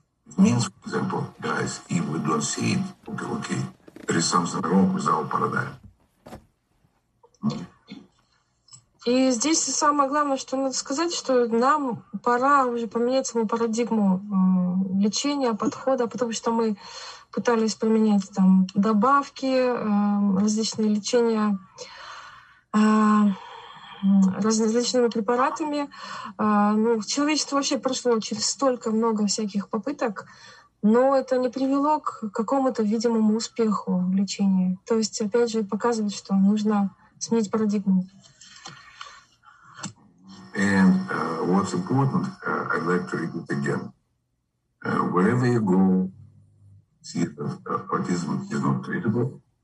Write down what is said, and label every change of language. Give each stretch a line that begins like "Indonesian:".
English: It means, for example, guys, if we don't see it, okay, there is something wrong with our paradigm.
Russian: И здесь самое главное, что надо сказать, что нам пора уже поменять саму парадигму лечения, подхода, потому что мы пытались применять там добавки, различные лечения различными препаратами. Ну, человечество вообще прошло через столько много всяких попыток, но это не привело к какому-то видимому успеху в лечении. То есть, опять же, показывает, что нужно сменить парадигму.
English: And what's important, I'd like to repeat again. Wherever you go, see that autism is not treatable.